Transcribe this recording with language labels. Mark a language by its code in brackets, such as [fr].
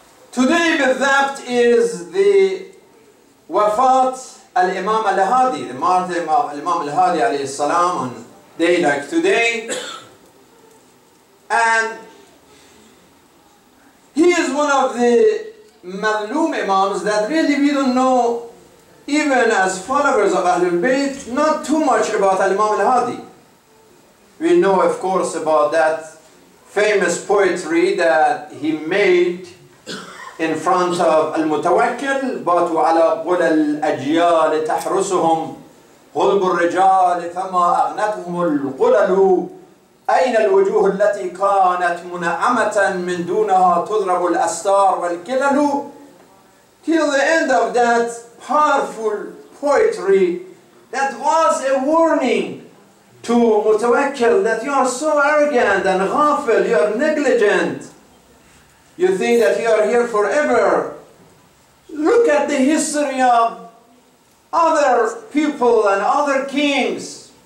[en] Today, bithabt is the wafat al-Imam al-Hadi, the martyrdom of Imam al-Hadi alayhi salam on day like today. And he is one of the Maloom Imams that really we don't know, even as followers of Ahlul Bayt, not too much about Al-Imam Al-Hadi. We know, of course, about that famous poetry that he made in front of Al-Mutawakkil, but [ar] وَعَلَى قُلَى الْأَجْيَالِ تَحْرُسُهُمْ غُلْبُ الرِّجَالِ فَمَا أَغْنَتْهُمُ الْقُلَلُ أين الوجوه التي كانت منعمة من دونها تضرب الأستار والكلل. [en] Till the end of that powerful poetry, that was a warning to Mutawakkil that you are so arrogant and ghafil, you are negligent. You think that you are here forever. Look at the history of other people and other kings.